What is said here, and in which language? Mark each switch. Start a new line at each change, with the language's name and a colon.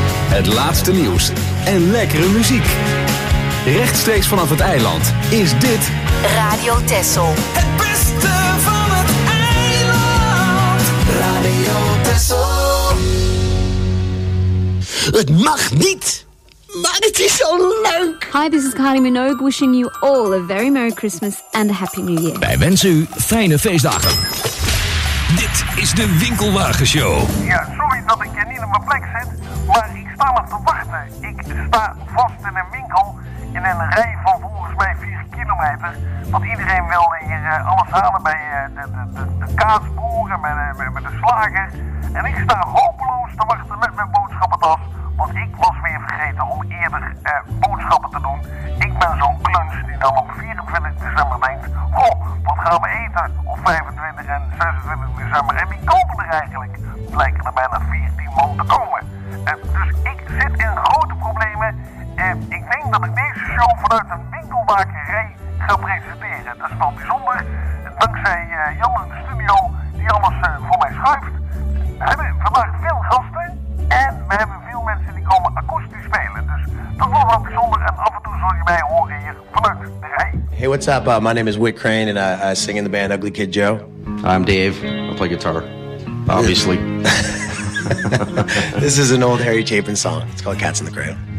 Dutch: Het laatste nieuws en lekkere muziek. Rechtstreeks vanaf het eiland is dit Radio Texel. Het beste van het eiland. Radio Texel. Het mag niet, maar het is zo leuk.
English: Hi, this is Kylie Minogue wishing you all a very Merry Christmas and a Happy New Year.
Dutch: Wij wensen u fijne feestdagen. Dit is de Winkelwagen Show. Ja, sorry dat ik je niet op mijn plek zit, maar ik sta nog te wachten. Ik sta vast in een winkel in een rij van volgens mij 4 kilometer. Want iedereen wilde hier alles halen bij de kaasboeren, met de slager. En ik sta hopeloos te wachten met mijn boodschappentas. Want ik was weer vergeten om eerder boodschappen te doen. Ik ben zo'n kluns die dan op 24 december denkt: goh, wat gaan we eten op 25 en 26 december? En wie komen er eigenlijk? Blijken er bijna 14 man te komen. Dus ik zit in grote problemen. Ik denk dat ik deze show vanuit een winkelwagenrij ga presenteren. Dat is wel bijzonder. Dankzij Jan in de studio die alles voor mij schuift. We hebben vandaag veel gasten en we hebben veel mensen die komen akoestisch spelen. Dus dat wordt wel bijzonder en af en toe zul je mij horen hier vanuit de rij.
English: Hey, what's up? My name is Whit Crane and I sing in the band Ugly Kid Joe. I'm Dave. I play guitar. Obviously. This is an old Harry Chapin song. It's called Cats in the Cradle.